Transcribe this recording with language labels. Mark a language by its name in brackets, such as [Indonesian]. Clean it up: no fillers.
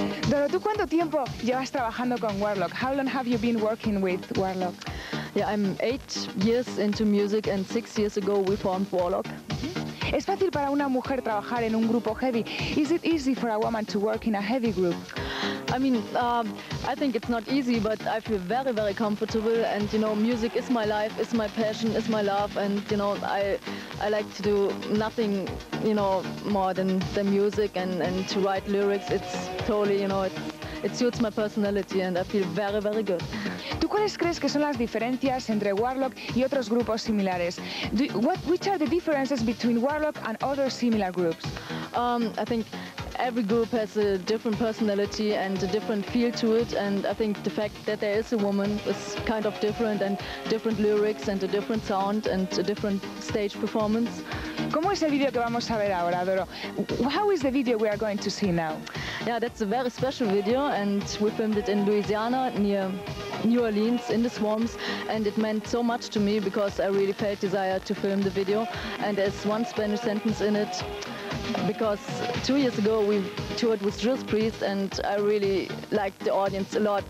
[Spanish] Doro, ¿tú cuánto tiempo llevas trabajando con Warlock? [English] How long have you been working with Warlock? Yeah, I'm 8 years into music and 6 years ago we formed Warlock. [Spanish] ¿Es fácil para una mujer trabajar en un grupo heavy? [English] Is it easy for a woman to work in a heavy group? I mean, I think it's not easy, but I feel very, very comfortable. And, you know, music is my life, is my passion, is my love. And, you know, I like to do nothing, you know, more than the music and to write lyrics. It's totally, you know, it suits my personality and I feel very, very good. [Spanish] ¿Tú cuáles crees que son las diferencias entre Warlock y otros grupos similares? [English] Which are the differences between Warlock and other similar groups? I think every group has a different personality and a different feel to it, and I think the fact that there is a woman is kind of different, and different lyrics and a different sound and a different stage performance. [Spanish] ¿Cómo es el video que vamos a ver ahora, Doro? [English] How is the video we are going to see now? Yeah, that's a very special video, and we filmed it in Louisiana near New Orleans in the swamps, and it meant so much to me because I really felt desire to film the video, and there's one Spanish sentence in it because 2 years ago we toured with Judas Priest and I really liked the audience a lot.